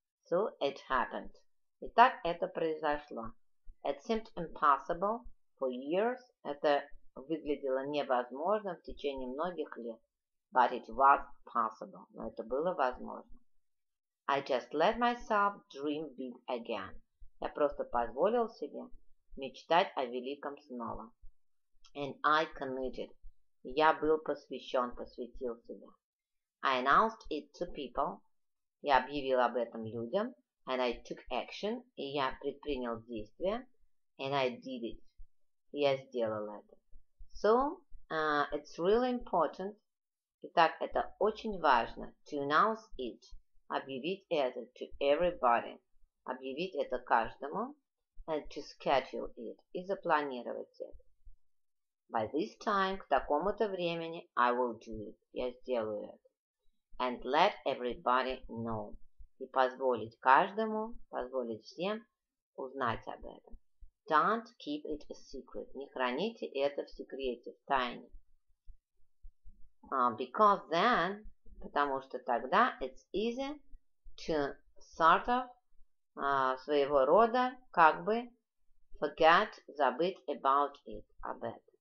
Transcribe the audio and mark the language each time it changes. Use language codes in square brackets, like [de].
[en] So it happened, [ru] и так это произошло. [en] It seemed impossible for years. [ru] Это выглядело невозможным в течение многих лет. [en] But it was possible. [ru] Но это было возможно. [en] I just let myself dream big again. [ru] Я просто позволил себе мечтать о великом снова. [en] And I committed. [ru] Я был посвящен, посвятил себя. [en] I announced it to people. [ru] Я объявил об этом людям. [en] And I took action. [ru] И я предпринял действие. [en] And I did it. [ru] Я сделал это. [en] So, it's really important. [ru] Итак, это очень важно. [en] To announce it. [ru] Объявить это [en] to everybody. [ru] Объявить это каждому. [en] And to schedule it. [ru] И запланировать это. [en] By this time, [ru] к такому-то времени, [en] I will do it. [ru] Я сделаю это. [en] And let everybody know. [ru] И позволить каждому, позволить всем узнать об этом. [en] Don't keep it a secret. [ru] Не храните это в секрете, в тайне. [en] Because then, [ru] потому что тогда, [en] it's easy to sort of, [ru] своего рода, как бы, [en] forget, [ru] забыть [en] about it, [ru] об этом.